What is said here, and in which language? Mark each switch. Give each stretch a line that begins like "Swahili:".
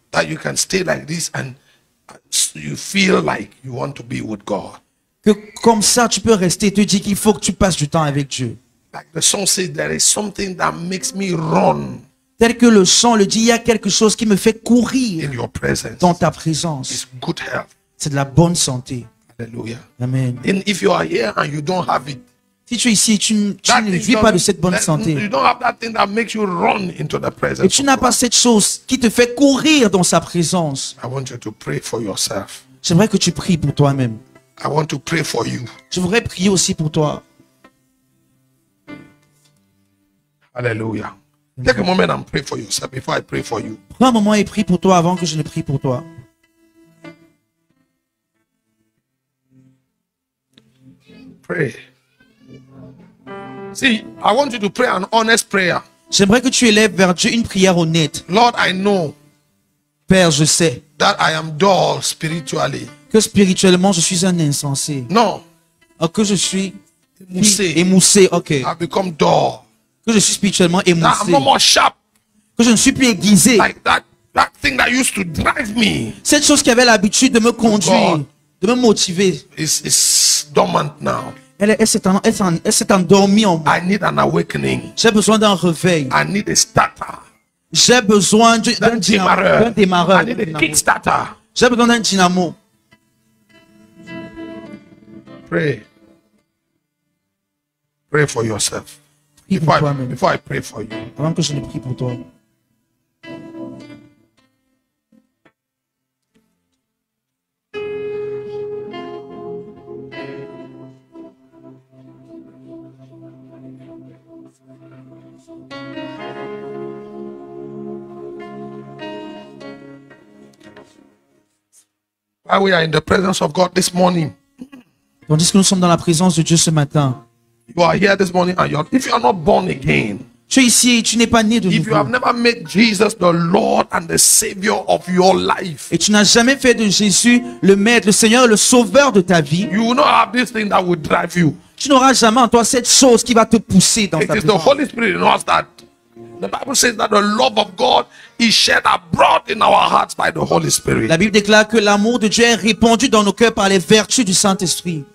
English: That you can stay like this and you feel like you want to be with God.
French: Que comme ça tu peux rester et te dire qu'il faut que tu passes du temps avec Dieu.
English: Like the song says, there is something that makes me run.
French: Tel que le sang le dit, il y a quelque chose qui me fait courir
English: in your presence,
French: dans ta présence.
English: It's good health.
French: C'est de la bonne santé. Alléluia. Amen.
English: And if you are here and you don't have it,
French: si tu es ici, tu ne vis pas de cette bonne santé. Et tu n'as pas cette chose qui te fait courir dans sa présence.
English: I want you to pray for yourself.
French: J'aimerais que tu pries pour toi-même.
English: I want to pray for you.
French: Je voudrais prier aussi pour toi. Alléluia.
English: Take a moment and pray for yourself before I pray for you.
French: Prends un moment et prie pour toi avant que je ne prie pour toi.
English: Pray. See, I want you to pray an honest prayer.
French: J'aimerais que tu élèves vers Dieu une prière honnête.
English: Lord, I know.
French: Père, je sais.
English: That I am dull spiritually.
French: Que spirituellement je suis un insensé. Non. Que je suis émoussé. Émoussé, ok.
English: I become dull.
French: Que je suis spirituellement émoussé.
English: I'm more sharp.
French: Que je ne suis plus aiguisé.
English: Like that thing that used to drive me.
French: Cette chose qui avait l'habitude de me conduire, God, de me motiver.
English: It's dormant now.
French: Elle s'est endormie en moi.
English: I need an awakening.
French: J'ai besoin d'un réveil.
English: I need a starter.
French: J'ai besoin d'un démarreur.
English: I need a kickstarter.
French: J'ai besoin d'un dynamo.
English: Pray. Pray for yourself. Before I pray for you.
French: Avant que je ne prie pour toi.
English: While we are in the presence of God this morning.
French: Tandis que nous sommes dans la présence de Dieu ce matin.
English: You are here this morning and if you are not born again.
French: Tu es ici et tu n'es pas né de nouveau.
English: If you have never made Jesus the Lord and the Savior of your life.
French: Et tu n'as jamais fait de Jésus le maître, le Seigneur, le sauveur de ta vie.
English: You will not have this thing that will drive you.
French: Tu n'auras jamais en toi cette chose qui va te pousser dans ta
English: vie. It is the Holy Spirit in us that the Bible says that the love of God is shed abroad in our hearts by the Holy Spirit.
French: La Bible déclare que l'amour de Dieu est répandu dans nos cœurs par les vertus du Saint-Esprit.